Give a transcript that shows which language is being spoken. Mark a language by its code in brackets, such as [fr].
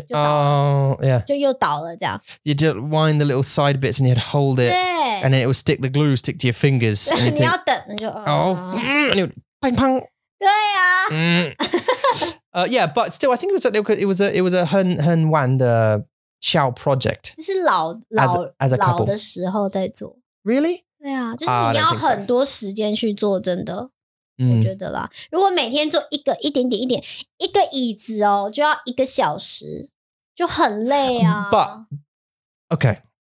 [zh] 然后你再把它放回去，然后就哦好小哦，然后好难用哦，然后就噗，就倒了，这样。 [en] You just wind the little side bits and you had to hold it, and then it would stick the glue stick to your fingers. [zh] 你要等，你就哦，砰砰，对呀。 [en] Yeah, but still, I think it was a [zh] 很很玩的小 [en] project. [zh] 就是老的时候在做。 [en] Really? [zh] 对啊，就是你要很多时间去做，真的，我觉得啦。如果每天做一个一点点一点，一个椅子哦，就要一个小时，就很累啊。 [en] But，OK.